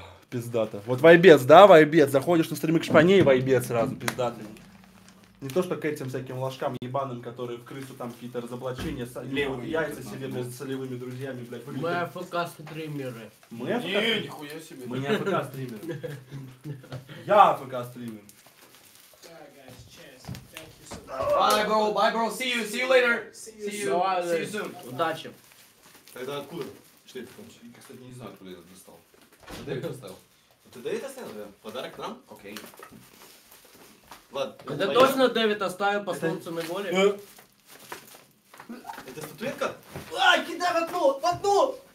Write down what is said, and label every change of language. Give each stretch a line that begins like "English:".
Russian: Пиздата. Вот вайбец, да, вайбец, заходишь на стримы к шпане и вайбец сразу, пиздатый. Не то, что к этим всяким ложкам ебаным, которые в крысу там какие-то разоблачения, левые яйца себе, блядь, с солевыми друзьями, блядь. Выглядит. Мы АФК-стримеры. Мы АФК? Не, нихуя себе. Мы не АФК-стримеры. Я АФК-стример.
English: Bye, bro, bye, bro, see you, see you later. See you soon.
Russian: Удачи. Это откуда? Что это? Я, кстати, не знаю, откуда я это достал. Это Дэвид оставил. Это Дэвид оставил, да? Подарок нам? Окей. Ладно, это точно Дэвид оставил по солнцу на голе? Это статуэтка? Ай, кидай в одну! В одну!